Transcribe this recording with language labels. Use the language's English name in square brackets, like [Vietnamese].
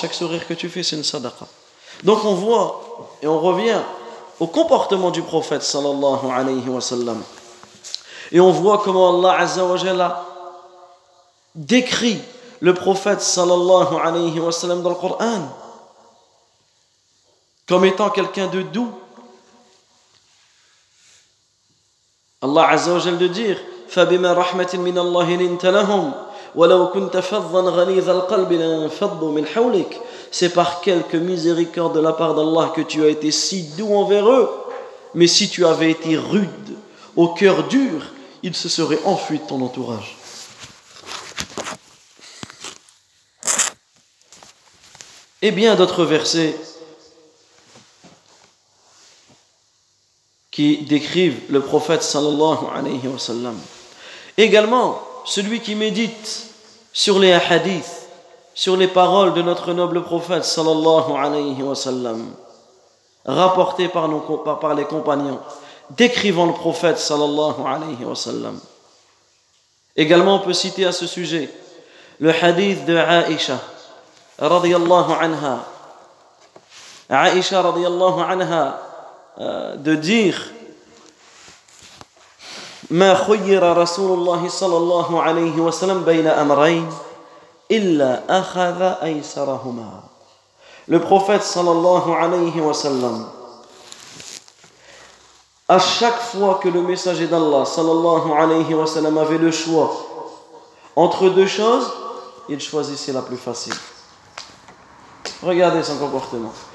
[French] Chaque sourire que tu fais, c'est une sadaqa. Donc on voit, et on revient au comportement du prophète, sallallahu alayhi wa sallam. Et on voit comment Allah, azza wa jalla, décrit le prophète, sallallahu alayhi wa sallam, dans le Coran, comme étant quelqu'un de doux. [Arabic] Allah عز وجل [French] de dire [Arabic] فبما رحمة من الله لنت لهم ولو كنت فظا غليظ القلب لانفضوا من حولك. [French] C'est par quelque miséricorde de la part d'Allah que tu as été si doux envers eux, mais si tu avais été rude, au cœur dur, ils se seraient enfuis de ton entourage. Et bien d'autres versets qui décrivent le prophète sallallahu alayhi wa sallam. Également, celui qui médite sur les hadiths, sur les paroles de notre noble prophète sallallahu alayhi wa sallam, rapportées par les compagnons, décrivant le prophète sallallahu alayhi wa sallam. Également, on peut citer à ce sujet le hadith de Aïcha radiyallahu anha. [Arabic] Aïcha radiyallahu anha [French] de dire [Arabic] ما خير رسول الله صلى الله عليه وسلم بين أمرين إلا أخذ أيسرهما. [French] Le prophète صلى الله عليه وسلم, à chaque fois que le messager d'Allah صلى الله عليه وسلم avait le choix Entre deux choses, il choisissait la plus facile. Regardez son comportement.